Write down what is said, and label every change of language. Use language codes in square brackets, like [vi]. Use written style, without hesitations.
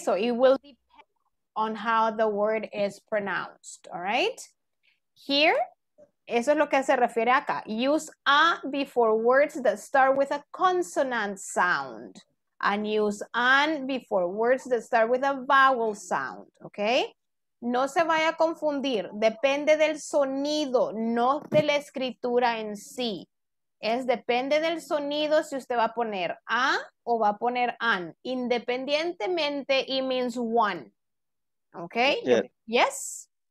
[en] So it will depend on how the word is pronounced, all right? Here, [es] eso es lo que se refiere acá. [en] Use a before words that start with a consonant sound. And use an before words that start with a vowel sound. [es] Okay? No se vaya a confundir. Depende del sonido, no de la escritura en sí. Es depende del sonido si usted va a poner a o va a poner an. Independientemente, [en] it means one. Okay? Yes?